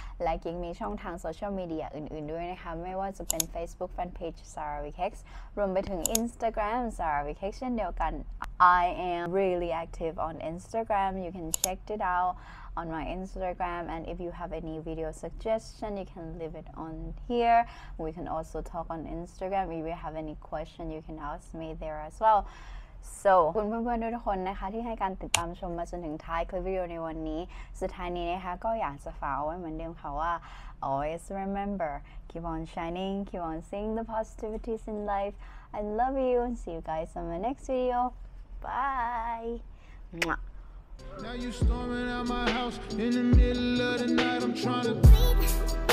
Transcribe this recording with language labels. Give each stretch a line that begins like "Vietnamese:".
Thai: และกิ๊กมีช่องทางโซเชียลมีเดียอื่นๆด้วยนะคะไม่ว่าจะเป็น Facebook Fanpage Sarah Wee Cakes รวมไปถึง Instagram Sarah Wee Cakes เช่นเดียวกัน
English: I am really active on Instagram you can check it outOn my Instagram, and if you have any video suggestion, you can leave it on here. We can also talk on Instagram. If you have any question, you can ask me there as well.
Thai: So, คุณเพื่อนๆทุกคนนะคะที่ให้การติดตามชมมาจนถึงท้ายคลิปวิดีโอในวันนี้สุดท้ายนี้นะคะก็อยากจะฝากไว้เหมือนเดิมค่ะว่า
English: always remember, keep on shining, keep on seeing the positivities in life. I love you, and see you guys on my next video. Bye. Mwah. Now you storming out my house in the middle of the night I'm trying to sleep